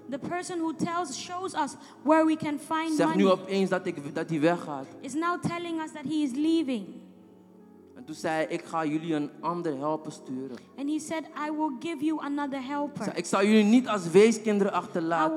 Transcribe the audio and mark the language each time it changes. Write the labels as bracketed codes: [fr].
[en] The person who shows us where we can find [nl] zegt [en] money. [nl] Nu opeens dat hij weggaat. [en] Is now telling us that he is leaving. [nl] En toen zei hij, ik ga jullie een ander helper sturen. [en] And he said, I will give you another helper. [nl] Ik zal jullie niet als weeskinderen achterlaten.